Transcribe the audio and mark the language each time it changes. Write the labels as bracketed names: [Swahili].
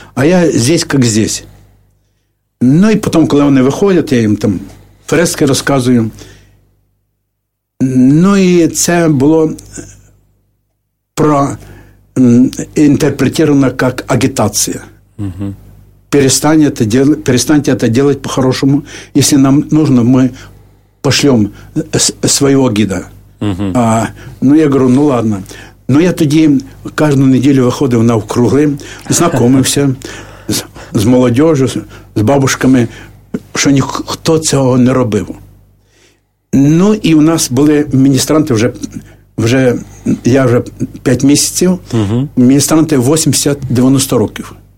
[Ukrainian] А я здесь, як здесь. Ну, і потім, коли вони виходять, я їм там фрески розказую. Ну, і це було проінтерпретировано як агітація. [Russian] Перестаньте это делать по-хорошему. Если нам нужно, мы пошлем своего гида. Uh-huh. Я говорю, ну ладно. [Ukrainian] Но я тоді каждую неделю виходив на округи, знакомився з молодежью, з бабушками, що ніхто цього не робив. Ну і у нас були міністранти вже 5 місяців, міністранти 80-90 років.